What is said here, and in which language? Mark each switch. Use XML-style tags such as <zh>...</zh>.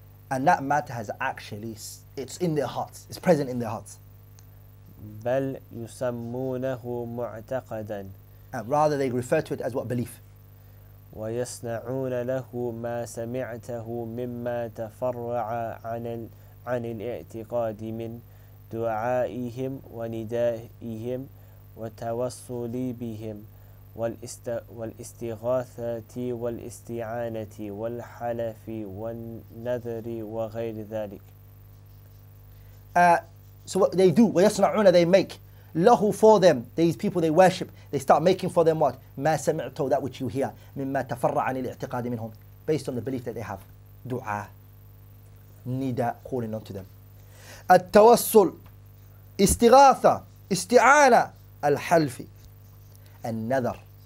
<en>And that matter has actually, it's in their hearts. It's present in their hearts.</en> <ar>بل يسمونه معتقدا.</ar> <en>And rather they refer to it as what? Belief.</en> <ar>ويصنعون له ما سمعته مما تفرع عن الاعتقاد من دعائهم وندائهم والتوسل بهم والاستغاثة والاستعانة والحلف والنذر وغير ذلك.</ar> <en>So what they do,</en> <ar>ويصنعون,</ar> <en>they make له for them, these people they worship, they start making for them what?</en> <ar>ما سمعته,</ar> <en>that which you hear.</en> <ar>مما تفرع عن الاعتقاد منهم,</ar> <en>based on the belief that they have.</en> <ar>دعاء, نداء,</ar> <en>calling unto them.</en> <ar>التوسل, استغاثة, استعانة, الحلف, النذر.</ar>